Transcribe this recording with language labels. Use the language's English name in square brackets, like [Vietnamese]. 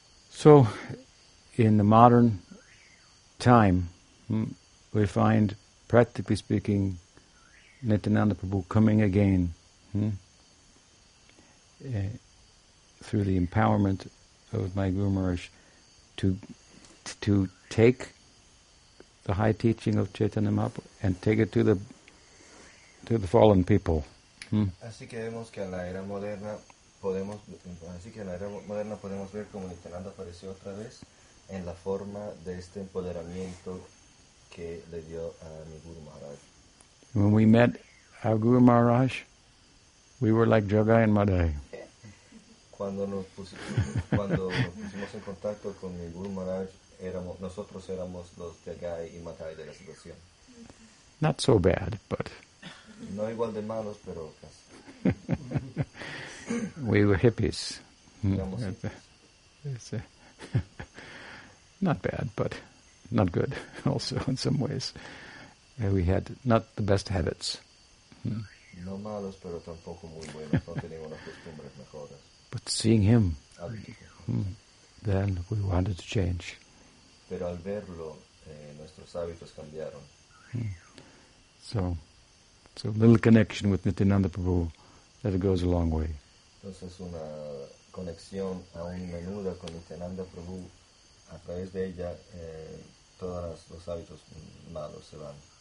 [English] So, in the modern time, we find, practically speaking, Nityananda Prabhu coming again through the empowerment of my Guru Maharaj to take the high teaching of Chaitanya Mahaprabhu and take it to the fallen people. [Spanish] Así que vemos que en la era moderna podemos ver cómo Nityananda apareció otra vez en la forma de este empoderamiento que le dio a mi Guru Maharaj. [English] When we met our Guru Maharaj, we were like Jagai and Madai. [Spanish] Cuando nos pusimos en contacto con mi Guru Maharaj, nosotros éramos los Jagai y Madai de la situación. [English] Not so bad, but... [Spanish] No igual de malos, pero casi. [English] We were hippies. Not bad, but not good also in some ways. We had not the best habits. [Spanish] No malos, pero tampoco muy buenos. No teníamos las costumbres mejores. [English] But seeing him, then we wanted to change. [Spanish] Pero al verlo, nuestros hábitos cambiaron. [English] So a little connection with Nityananda Prabhu, that goes a long way. [Spanish] Entonces una conexión aún menuda con Nityananda Prabhu, a través de ella, todos los hábitos malos se van.